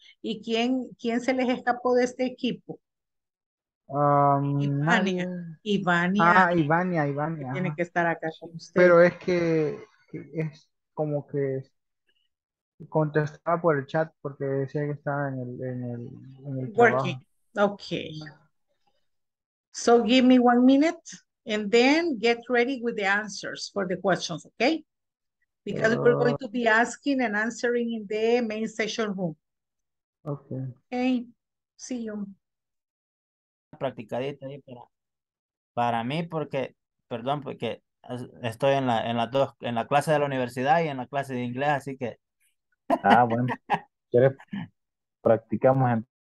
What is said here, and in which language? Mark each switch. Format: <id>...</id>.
<es>¿Y quién se les escapó de este equipo? Ivania. Tiene que estar acá con usted. Pero es que es como que contestaba por el chat porque decía que estaba en el working trabajo.</es> <en>Okay, so give me 1 minute and then get ready with the answers for the questions, okay? Because we're going to be asking and answering in the main session room. Okay, see you.</en> <es>Practicadita ahí para mí, porque perdón, porque estoy en la clase de la universidad y en la clase de inglés, así que ¿quieres? Practicamos.</es>